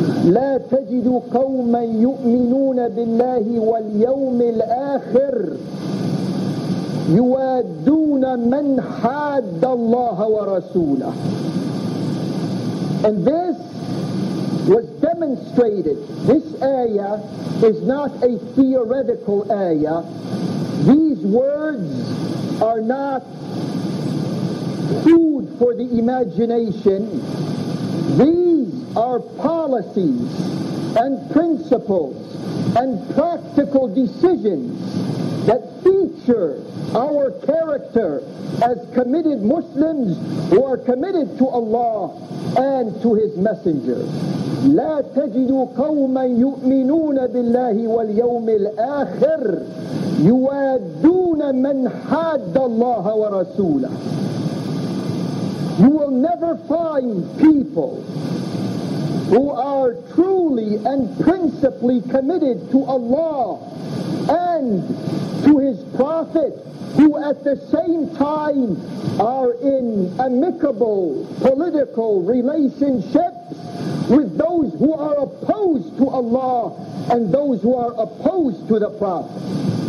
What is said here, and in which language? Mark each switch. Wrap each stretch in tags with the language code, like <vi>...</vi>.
<ar>لا تجد قوما يؤمنون بالله واليوم الآخر يوادون من حاد الله ورسوله.</ar> <en>And this was demonstrated. This ayah is not a theoretical ayah. These words are not food for the imagination. These are policies and principles and practical decisions that feature our character as committed Muslims who are committed to Allah and to His Messenger.</en> <ar>لا تجد قوما يؤمنون بالله واليوم الآخر يوادون من حاد الله ورسوله.</ar> <en>You will never find people who are truly and principally committed to Allah and to His Prophet, who at the same time are in amicable political relationships with those who are opposed to Allah and those who are opposed to the Prophet.</en>